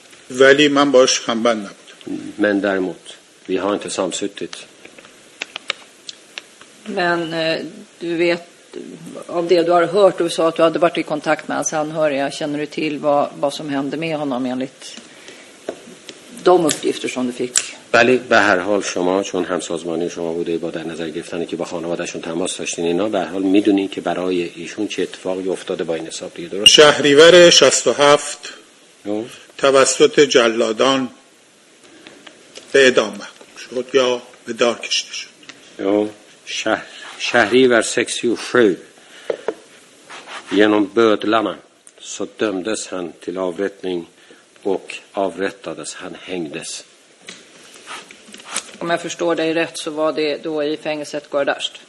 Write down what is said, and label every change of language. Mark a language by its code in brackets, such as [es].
[sv] Men däremot, vi har inte samsuttit. Men du vet av det du har hört, du sa att du hade varit i kontakt med hans anhöriga. Känner du till vad som hände med honom enligt de uppgifter som du fick? [fa] Bali, به هر حال شما چون همسازمانی شما بوده با در نظر گرفتن که با خانواده‌شون تماس داشتین اینا، به هر حال میدونین که برای ایشون چه اتفاقی افتاده با این حساب دیگه، درست؟ شهریور 67 توسط جلادان به اعدام محکوم شد یا به دار کشیده شد. [sv] Shahrivar 67 genom bödlarna så dömdes han till avrättning och avrättades, han hängdes. Om jag förstår dig rätt så var det då i fängelset Guardasht.